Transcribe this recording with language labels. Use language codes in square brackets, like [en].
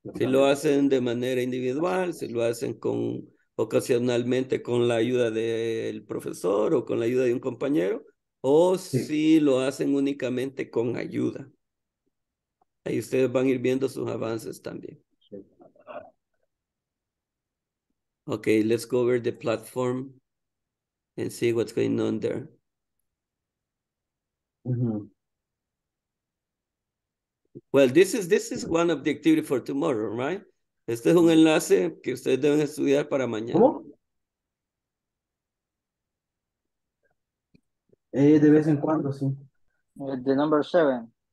[es] si lo hacen de manera individual, si lo hacen con ocasionalmente con la ayuda del profesor o con la ayuda de un compañero, o sí. Si lo hacen únicamente con ayuda. Ahí ustedes van a ir viendo sus avances también. [en] Okay, let's go over the platform and see what's going on there. Mm-hmm. Well, this is one of the activities for tomorrow, right? [es] Este es un enlace que ustedes deben estudiar para mañana. ¿Cómo? De vez en cuando, sí. [en] The number 7.